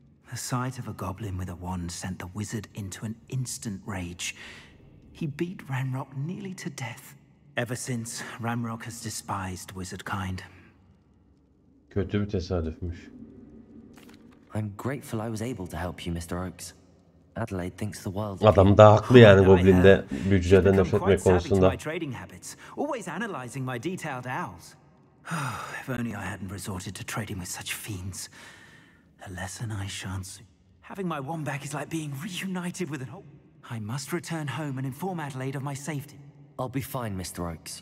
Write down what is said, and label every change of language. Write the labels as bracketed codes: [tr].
[en] The sight of a goblin with a wand sent the wizard into an instant rage. He beat Ranrock nearly to death. Ever since, Ranrock has despised wizard kind. [tr] Kötü bir tesadüfmüş. [en] I'm grateful I was able to help you, Mr. Oakes. Adelaide thinks the world. [tr] Adam daha haklı yani, goblinde büyücüden nefret etmek konusunda. [en] Trading habits, always analyzing my detailed owls. If only I hadn't resorted to trading with such fiends. A lesson I shan't see. Having my wand back is like being reunited with an old. I must return home and inform Adelaide of my safety. I'll be fine, Mr. Oakes.